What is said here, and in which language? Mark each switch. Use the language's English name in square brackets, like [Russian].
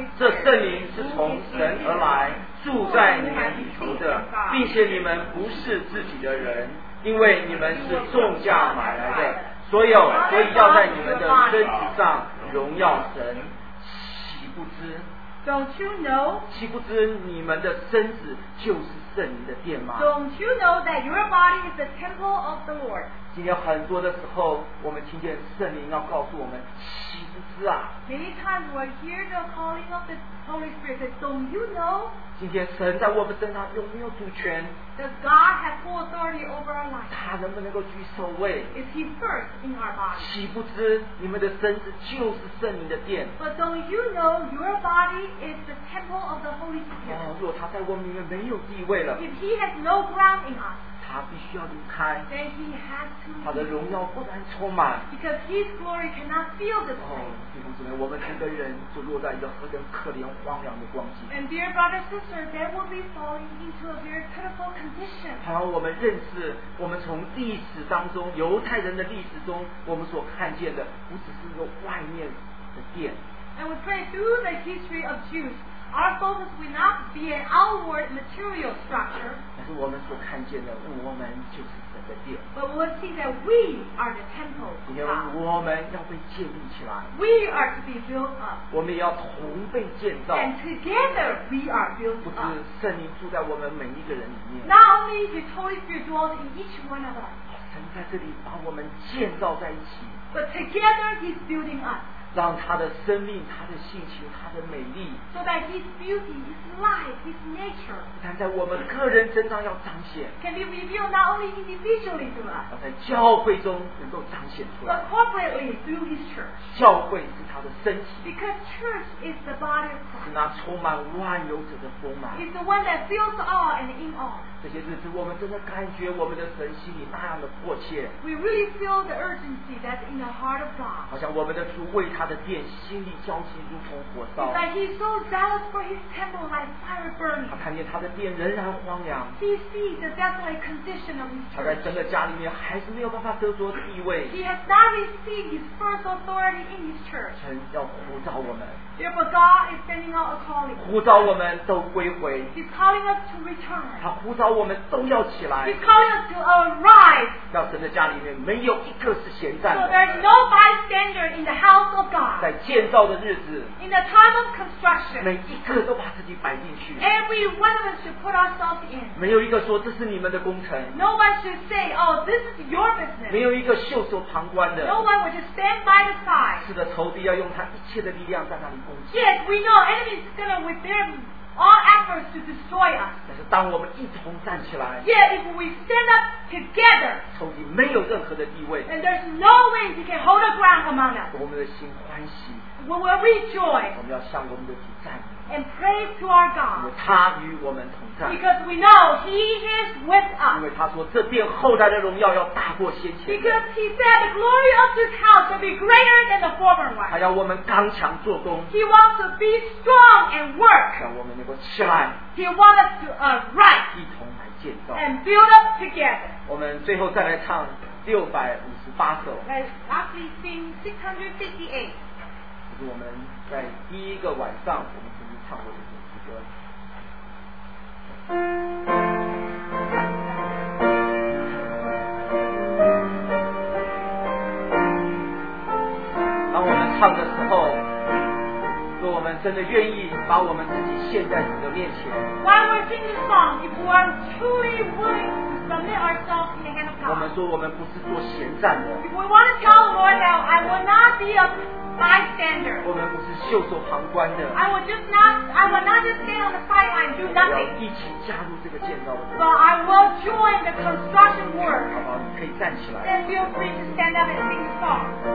[Chinese] 这圣灵是从神而来，住在你们里头的，并且你们不是自己的人，因为你们是重价买来的。所以要在你们的身子上荣耀神。岂不知？ [English] Don't you know? [Chinese] 岂不知你们的身子就是圣灵的殿吗？ [English] Don't you know that your body is the temple of the Lord? [Chinese] 今天很多的时候，我们听见圣灵要告诉我们，岂不知啊？ [English] Many times we hear the calling of the Holy Spirit. Say, Don't you know? [Chinese] 今天神在我们身上有没有主权？ [English] Does God have full authority over our life? [Chinese] 他能不能够居首位？ [English] Is He first in our body? [Chinese] 岂不知你们的身子就是圣灵的殿？ [English] But don't you know your body is the temple of the Holy Spirit? [Chinese] 若他在我们里面没有地位了， [English] If He has no ground in us. [Chinese] 他必须要离开 [English] Then he has to [Chinese] 他的荣耀不能充满 [English] Because his glory cannot fill the place [Chinese] 我们整个人就落在一个何等可怜荒凉的光景 [English] And dear brother sister they will be falling into a very pitiful condition [Chinese] 好像我们认识我们从历史当中犹太人的历史中我们所看见的不只是一个外面的殿 [English] And we pray through the history of JewsOur focus will not be an outward material structure. [Chinese] 但是我们所看见的，我们就是神的殿。 [English] But we see that we are the temple. [Chinese] 今天我们要被建立起来。 [English] We are to be built up. [Chinese] 我们也要同被建造。 [English] And together we are built up. [Chinese] 不是圣灵住在我们每一个人里面。 [English] Not only the Holy Spirit dwells in each one of us. [Chinese] 神在这里把我们建造在一起。 [English] But together He's building us. [Chinese] 让他的生命他的性情他的美丽 [English] so that his beauty his life his nature [Chinese] 但在我们个人身上要彰显 [English] can be revealed not only individually to us [Chinese] 要在教会中能够彰显出来 [English] but corporately through his church [Chinese] 教会是他的身体 [English] because church is the body of Christ [Chinese] 是那充满万有者的丰满 [English] is the one that fills all and in all [Chinese] 这些日子我们真的感觉我们的神心里那样的迫切 [English] we really feel the urgency that's in the heart of God [Chinese] 好像我们的主为他的殿心里焦急如同火烧 [English] that he's so zealous for his temple like fire burning [Chinese] 他看见他的殿仍然荒凉 [English] he sees the desolate condition of his church [Chinese] 他在整个家里面还是没有办法得着地位 [English] he has not received his first authority in his church [Chinese] 神要呼召我们 [English] therefore God is sending out a calling [Chinese] 呼召我们都归回 [English] he's calling us to return [Chinese] 他呼召我们都要起来 [English] he's calling us to arise [Chinese] 让神的家里面没有一个是闲站的 [English] so there's no bystander in the house of God. [Chinese] 在建造的日子 [English] In the time of construction [Chinese] 每一个都把自己摆进去 [English] Every one of us should put ourselves in [Chinese] 没有一个说这是你们的工程 [English] No one should say Oh this is your business [Chinese] 没有一个袖手旁观的 [English] No one would just stand by the side [Chinese] 是的仇敌要用他一切的力量在那里攻击 [English] Yes we know enemies are going with them all efforts to destroy us [Chinese] 但是当我们一同站起来 [English] Yet if we stand up together [Chinese] 仇敌没有任何的地位 [English] And there's no way he can hold a ground among us [Chinese] 我们的心欢喜 [English] We will rejoice [Chinese] 我们要向我们的主赞美 [English] And praise to our God [Chinese] 因为他与我们同在 [English] Because we know he is with us [Chinese] 因为他说这殿后代的荣耀要大过先前 [English] Because he said the glory of this house will be greater than the former one [Chinese] 他要我们刚强做工 [English] He wants to be strong and work [Chinese] 让我们能够起来 [English] He wants us to arise [Chinese] 一同来建造 [English] And build up together [Chinese] 我们最后再来唱658首 [English] Let's lastly sing 658 [Chinese] 就是我们在第一个晚上我们曾经唱过的这首歌当我们唱的时候若我们真的愿意把我们自己献在你的面前 [English] While we sing this song If we are truly willing to submit ourselves in the hand of God [Chinese] 我们说我们不是做闲站的 [English] If we want to tell the Lord now I will not be a bystander [Chinese] 我们不是袖手旁观的 [English] I will not just stand on the sideline do nothing [Chinese] 我们要一起加入这个建造的 [English] But I will join the construction work [Chinese] 好吧你可以站起来 [English] Then feel free to stand up and sing this song